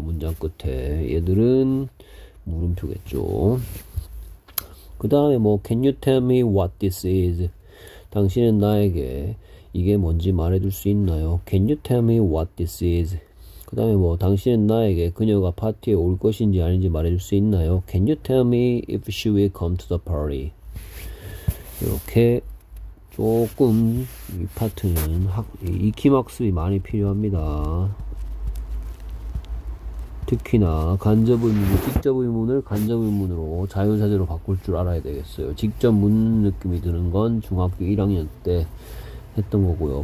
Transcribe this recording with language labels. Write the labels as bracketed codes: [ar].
[ko] 문장 끝에 얘들은 물음표겠죠. 그다음에 뭐 [en] Can you tell me what this is? [ko] 당신은 나에게 이게 뭔지 말해줄 수 있나요? [en] Can you tell me what this is? [ko] 그 다음에 뭐 당신은 나에게 그녀가 파티에 올 것인지 아닌지 말해줄 수 있나요? [en] Can you tell me if she will come to the party? [ko] 이렇게 조금 이 파트는 익히막습이 많이 필요합니다. 특히나 직접 의문을 자유자재로 바꿀 줄 알아야 되겠어요. 직접 묻는 느낌이 드는 건 중학교 1학년 때 했던 거고요.